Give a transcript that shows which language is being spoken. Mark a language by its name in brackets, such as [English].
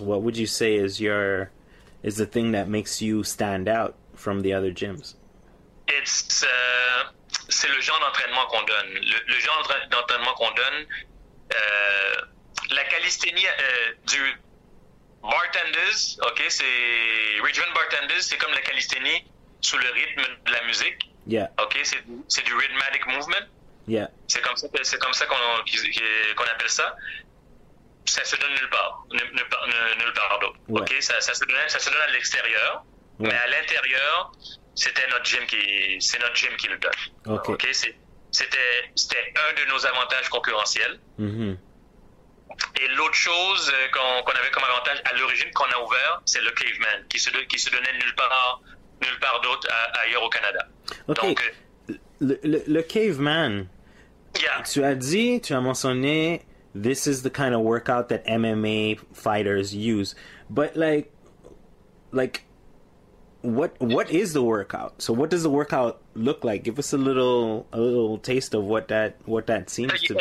[English] What would you say is the thing that makes you stand out from the other gyms? [French] C'est le genre d'entraînement qu'on donne. Le genre d'entraînement qu'on donne, la calisthénie du bartenders, OK, c'est region bartenders, c'est comme la calisthénie sous le rythme de la musique. [English] Yeah. [French] OK, c'est du rhythmic movement. [English] Yeah. [French] C'est comme ça qu'on appelle ça. Ça se donne nulle part d'autre. Ouais. OK, ça se donne à l'extérieur, ouais. Mais à l'intérieur, c'est notre gym qui le donne. OK, c'était un de nos avantages concurrentiels. Mm-hmm. Et l'autre chose qu'on avait comme avantage à l'origine qu'on a ouvert, c'est le caveman qui se donnait nulle part d'autre ailleurs au Canada. [English] Okay. [French] Donc le caveman. [English] Yeah. [French] Tu as mentionné [English] this is the kind of workout that MMA fighters use. But like what is the workout? So what does the workout look like? Give us a little taste of what that seems to be.